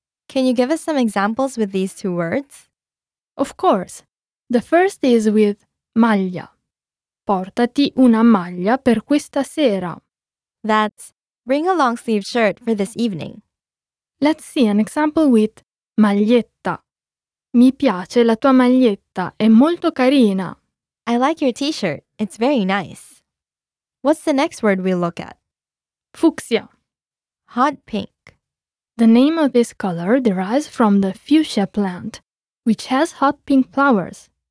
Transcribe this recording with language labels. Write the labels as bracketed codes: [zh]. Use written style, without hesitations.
[en] Can you give us some examples with these two words? Of course. The first is with maglia. [it] Portati una maglia per questa sera. [en] That's bring a long-sleeved shirt for this evening. Let's see an example with maglietta. [it] Mi piace la tua maglietta, è molto carina. [en] I like your t-shirt, it's very nice. What's the next word we'll look at? [it] Fucsia. [en] Hot pink. The name of this color derives from the fuchsia plant, which has hot pink flowers.